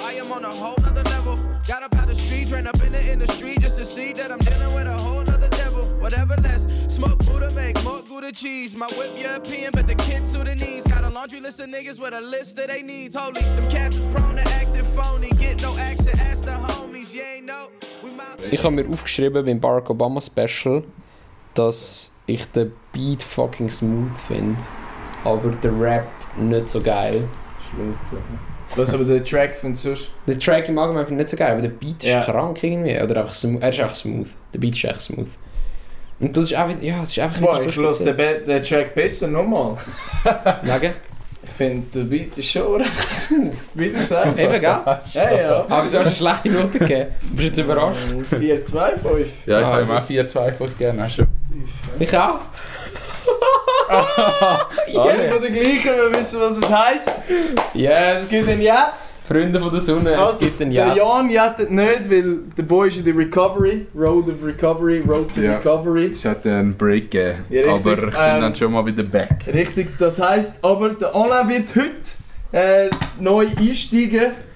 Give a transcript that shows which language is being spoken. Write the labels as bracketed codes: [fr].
[en] I am on a whole nother level. Got up out the streets, ran up in the industry just to see that I'm dealing with a whole nother devil. Whatever less, smoke Buddha, make more Gouda cheese. My whip European, but the kids to the knees. Got a laundry list of niggas with a list of they needs. Holy, them cats is prone to acting phony. Get no action, ask the homies, you ain't know. [de] Ich habe mir aufgeschrieben beim Barack Obama Special, dass ich den Beat fucking smooth finde, aber der Rap nicht so geil. Was aber der Track findest du? Der Track im Allgemeinen finde ich nicht so geil, aber der Beat ist krank irgendwie. Oder einfach smooth. Er ist einfach smooth. Der Beat ist echt smooth. Und das ist einfach, ja, das ist einfach nicht so speziell. Boah, ich höre den Track besser nochmal. Nage? Ich finde, der Beat ist schon recht smooth, wie du sagst. Eben, gell? Ja, ja. Aber du hast eine schlechte Note gegeben. Bist du jetzt überrascht? 4-2-5. Ja, ich habe ihm auch 4-2-5 gegeben, hast du. Ich auch. Jeder von den Gleichen, wir wissen, was es heisst. [en] Yes. [de] Es gibt ein Ja. Freunde von der Sonne, es gibt ein Ja. Der Jan jettet nicht, weil der Boy ist in der Recovery. [en] Road of Recovery, Road to Recovery. [de] Es hat einen Break gegeben, ja, aber ich bin dann schon mal wieder back. Richtig, das heisst, aber der Alain wird heute neu einsteigen.